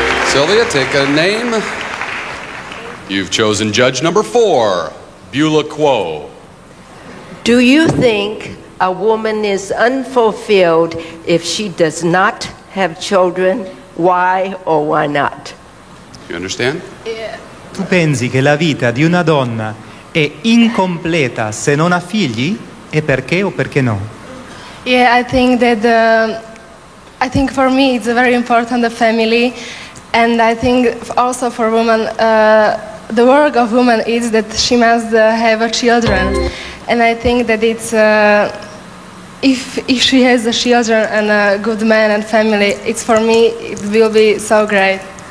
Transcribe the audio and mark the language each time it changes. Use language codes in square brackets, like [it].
[en] Sylvia, take a name. You've chosen judge number four, Beulah Quo. Do you think a woman is unfulfilled if she does not have children? Why or why not? You understand? Yeah. [it] Tu pensi che la vita di una donna è incompleta se non ha figli? E perché o perché no? [en] Yeah, I think that I think for me it's a very important the family, and I think also for women the work of woman is that she must have a children, and I think that it's if she has a children and a good man and family, it's for me it will be so great.